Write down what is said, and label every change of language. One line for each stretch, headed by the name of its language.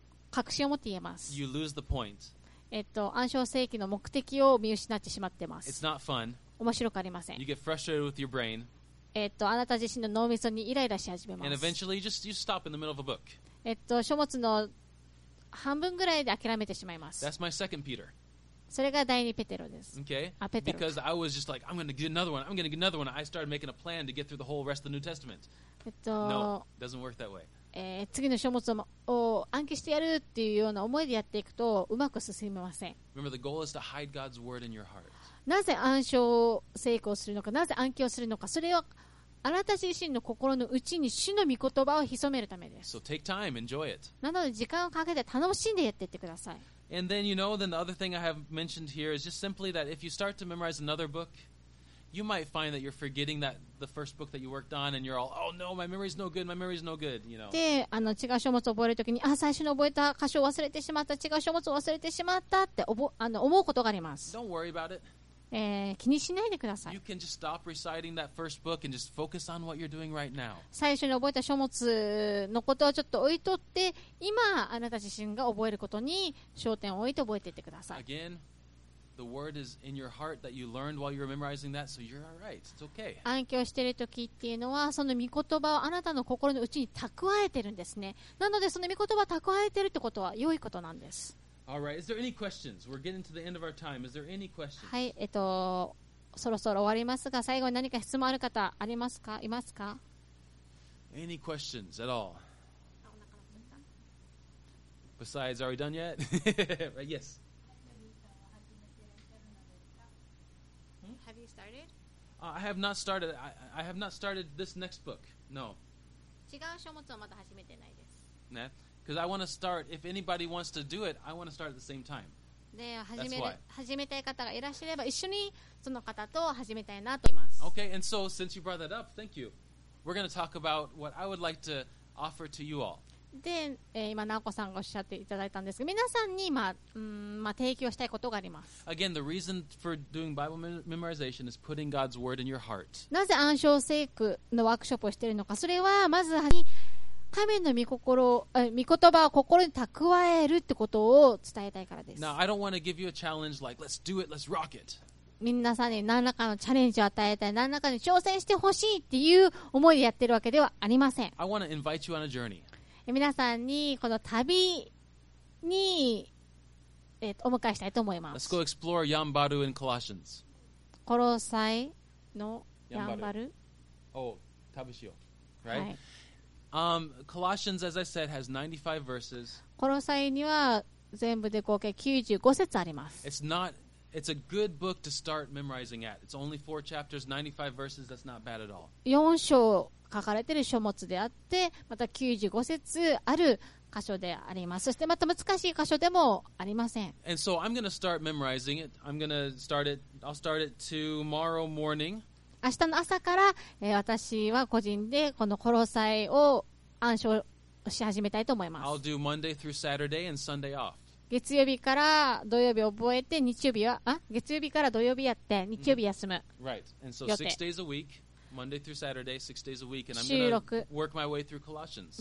Japanese: 確信を持って言えます。
English: You lose the point.
Japanese: 暗証世紀の目的を見失ってしまってます。
English: It's not fun.
Japanese: 面白くありません。
English: You get frustrated with your brain.
Japanese: あなた自身の脳みそにイライラし始めます。
English: And eventually you just stop in the middle of a book.
Japanese: 書物の半分ぐらいで諦めてしまいます。
English: That's my second Peter.
Japanese: それが第二ペテロです。
English: Okay.
Japanese: あ、ペテロ。
English: Because I was just like, I'm going to get another one, I'm going to get another one. I started making a plan to get through the whole rest of the New Testament. No, doesn't work that way.
Japanese: 次の書物を暗記してやるっていうような思いでやっていくとうまく進みません。
English: Remember, the goal is to hide God's word in your heart.
Japanese: なぜ暗証を成功するのか、なぜ暗記をするのか、それはあなた自身の心の内に主の御言葉を潜めるためです。
English: So take time, enjoy it.
Japanese: なので時間をかけて楽しんでやっていってください。
English: And then you know, then the other thing I have mentioned here is just simply that if you start to memorize another book, you might find that you're forgetting that the first book that you worked on, and you're all, oh no, my memory's no good, my memory's no good, you know.
Japanese: で、あの違う書物を覚えるときに、あ、最初に覚えた箇所を忘れてしまった、違う書物を忘れてしまったって思うことがあります。
English: Don't worry about it.
Japanese: 気にしないでください。最初に覚えた書物のことをちょっと置いとって、今あなた自身が覚えることに焦点を置いて覚えていってください。
English: Again, the word is in your heart that you learned while you were memorizing that, so you're all right. It's okay.
Japanese: 暗記をしている時っていうのはその御言葉をあなたの心の内に蓄えてるんですね。なのでその御言葉を蓄えてるってことは良いことなんです。
English: All right. Is there any questions? We're getting to the end of our time. Is there any questions?
Japanese: はい、そろそろ終わりますが、最後に何か質問ある方ありますか？いますか？
English: Any questions at all? Besides, are we done yet? Right, yes. Have you started? I have not started. I have not started this next book. No.
Japanese: 違う書物をまだ始めてないです。ね。
English: Because I want to start, if anybody wants to do it, I want to start at the same time. That's why. Okay, and so since you brought that up, thank you. We're going to talk about what I would like to offer to you all.
Japanese: で、今直子さんがおっしゃっていただいたんですが、皆さんに今、提供したいことがあります。
English: Again, the reason for doing Bible memorization is putting God's word in your heart.
Japanese: なぜ暗証聖句のワークショップをしているのか、それはまず神の御言葉を心に蓄えるってことを伝えたいからです。
English: Now, I don't want to give you a challenge like, let's do it, let's rock it.
Japanese: 皆さんに何らかのチャレンジを与えたい、何らかに挑戦してほしいっていう思いでやってるわけではありません。
English: I want to invite you on a journey.
Japanese: 皆さんにこの旅に、お迎えしたいと思います。
English: Let's go explore Yambaru in Colossians.
Japanese: コロサイのヤンバル。おう、旅しよう。
English: Right?、
Japanese: はい、
English: Colossians, as I said, has 95 verses.
Japanese: コロサイには全部で合計95節あります。
English: It's a good book to start memorizing at. It's only 4 chapters, 95 verses. That's not bad at all.
Japanese: 4章書かれている書物であって、また95節ある箇所であります。そしてまた難しい箇所でもありません。
English: And so I'm going to start memorizing it. I'm going to start it. I'll start it tomorrow morning.
Japanese: 明日の朝から、私は個人でこのコロサイを暗唱し始めたいと思います。
English: I'll do Monday through Saturday and Sunday off.
Japanese: 月曜日から土曜日覚えて日曜日は、あ、月曜日から土曜日やって日曜日休む。
English: Right. And so 6 days a week, Monday through Saturday, 6 days a week, and I'm going to work my way through Colossians.